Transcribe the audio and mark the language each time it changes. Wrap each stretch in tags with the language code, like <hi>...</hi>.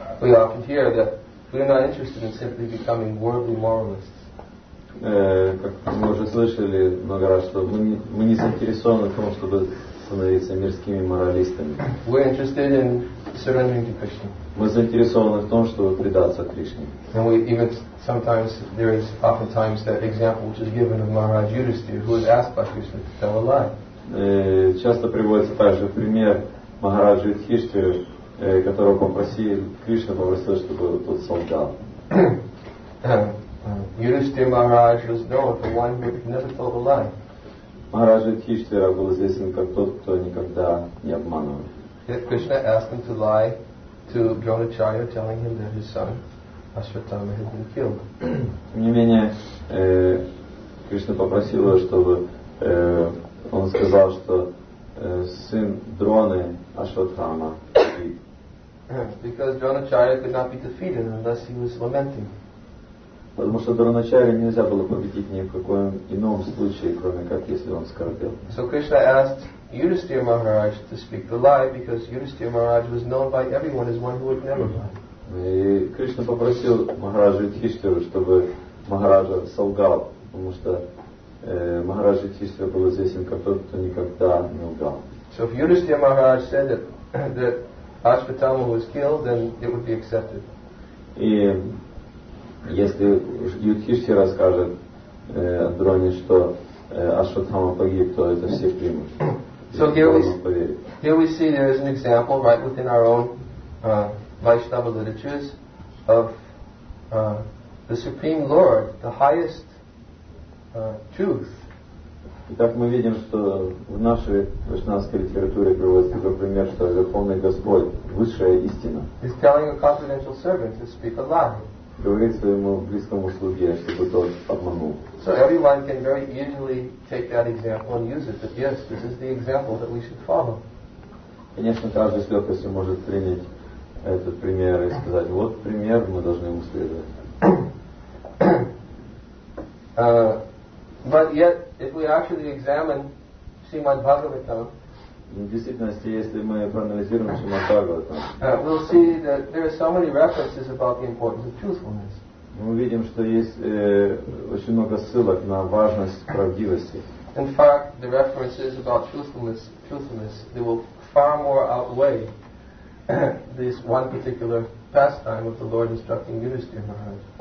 <en>We often hear that we're not interested in simply becoming worldly moralists.</en> <ru>Как мы уже слышали много раз, что мы не заинтересованы в том, чтобы становиться мирскими моралистами.</ru> <en>We're interested in surrendering to Krishna.</en> <ru>Мы заинтересованы в том, чтобы предаться Кришне.</ru> <en>And we even sometimes there is oftentimes that example which is given of Maharaj Yudhisthira, who was asked by Krishna to tell a lie.</en> <ru>Часто приводится также пример Махараджа Юдхиштхиры, которого попросил Кришна попросил, чтобы тот солгал.</ru> <en>Юдхиштхира Махарадж was known for one who never told a lie.</en> <ru>Махарадж Юдхиштхира был известен как тот, кто никогда не обманывал.</ru> <en>Yet Krishna asked him to lie to Dronacharya, telling him that his son Ashwatthama had been killed.</en> <ru>Тем не менее, Кришна попросил его, чтобы он сказал, что сын Дроны Ашватхама.</ru> <en>Because Dronacharya could not be defeated unless he was lamenting.</en> <ru>Потому что Дроначарья нельзя было победить ни в каком ином случае, кроме как если он скорбел.</ru> <en>So Krishna asked Yudhisthira Maharaj to speak the lie because Yudhisthira Maharaj was known by everyone as one who would never lie.</en> <ru>И Кришна попросил Махараджа Юдхиштхиру, чтобы Махараджа солгал, потому что Махараджа Юдхиштхира был известен как тот, кто никогда не лгал.</ru> <en>So if Yudhisthira Maharaj said that Ashwatthama was killed, then it would be accepted.</en> <ru>И если Юдхиштхира расскажет Дроне, что Ашватхама погиб, то это все примут.</ru> <en>So here we see there is an example right within our own Vaishnava literatures of the Supreme Lord, the highest truth.</en> <ru>Итак, мы видим, что в нашей вайшнавской литературе приводится такой пример, что Верховный Господь – высшая истина.</ru> <en>He's telling a confidential servant to speak a lie.</en> <ru>Говорит своему близкому слуге, чтобы тот обманул.</ru> <en>So everyone can very easily take that example and use it. But yes, this is the example that we should follow.</en> <ru>Конечно, каждый с легкостью может принять этот пример и сказать, вот пример, мы должны ему следовать.</ru> <en>But yet, if we actually examine Srimad Bhagavatam,</en> <ru>в действительности, если мы проанализируем Шримад Бхагаватам,</ru> <en>we'll see that there are so many references about the importance of truthfulness.</en> <ru>Мы увидим, что есть очень много ссылок на важность правдивости.</ru> <en>In fact, the references about truthfulness, they will far more outweigh this one particular pastime of the Lord instructing Yudhisthira Maharaj.</en>